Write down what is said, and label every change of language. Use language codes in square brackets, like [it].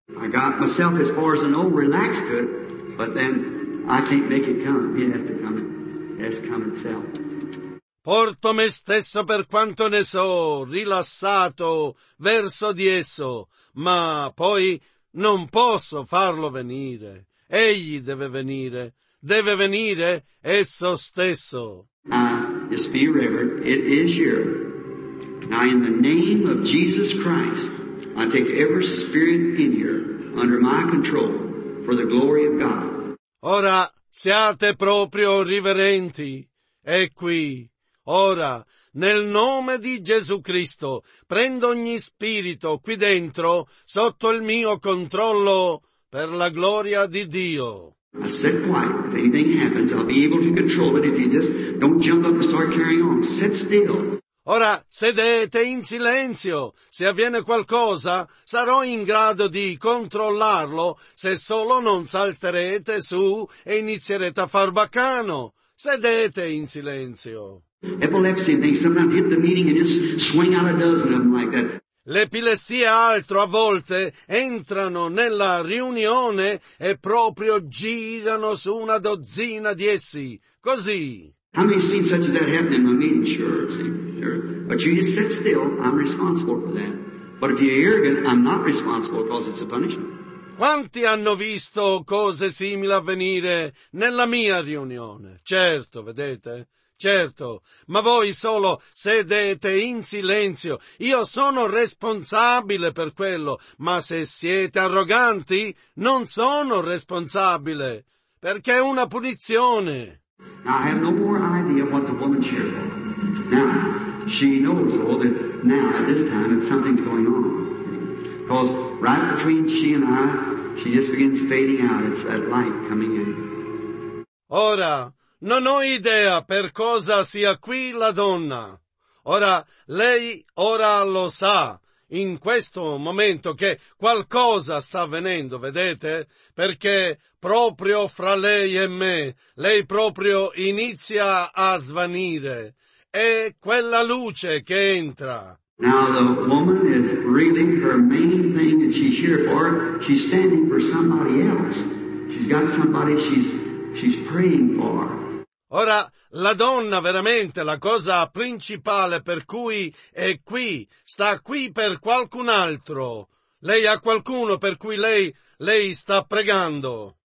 [en] I got myself as far as I know relaxed to it, but then I can't make it come. It has to come. It has to come itself. [it] Porto me stesso per quanto ne so, rilassato verso di esso, ma poi non posso farlo venire. Egli deve venire. Deve venire esso stesso. [en] Just be reverent. It is here. Now in the name of Jesus Christ, I take every spirit in here under my control for the glory of God. [it] Ora siate proprio riverenti. È qui. Ora, nel nome di Gesù Cristo, prendo ogni spirito qui dentro sotto il mio controllo per la gloria di Dio. [en] I sit quiet. If anything happens, I'll be able to control it if you just don't jump up and start carrying on. Sit still. [it] Ora, sedete in silenzio. Se avviene qualcosa, sarò in grado di controllarlo se solo non salterete su e inizierete a far baccano. Sedete in silenzio. [en] Epilepsy, they sometimes hit the meeting and just swing out a dozen of them like that. [it] L'epilessia altro a volte entrano nella riunione e proprio girano su una dozzina di essi, così. [en] How many have seen such as that happen in my meeting? Sure, see, sure. But you just sit still, I'm responsible for that. But if you're arrogant, I'm not responsible because it's a punishment. [it] Quanti hanno visto cose simili avvenire nella mia riunione? Certo, vedete? Certo, ma voi solo sedete in silenzio. Io sono responsabile per quello, ma se siete arroganti, non sono responsabile, perché è una punizione. [en] Now, I have no more idea what the woman's here for. Now, she knows all that now, at this time, that something's going on. Because right between she and I, she just begins fading out. It's that light coming in. [it] Ora, non ho idea per cosa sia qui la donna. Ora, lei ora lo sa, in questo momento, che qualcosa sta avvenendo, vedete? Perché proprio fra lei e me, lei proprio inizia a svanire. È quella luce che entra. [en] Now the woman is really her main thing that she's here for. She's standing for somebody else. She's got somebody she's praying for. [it] Ora, la donna, veramente, la cosa principale per cui è qui, sta qui per qualcun altro. Lei ha qualcuno per cui lei sta pregando.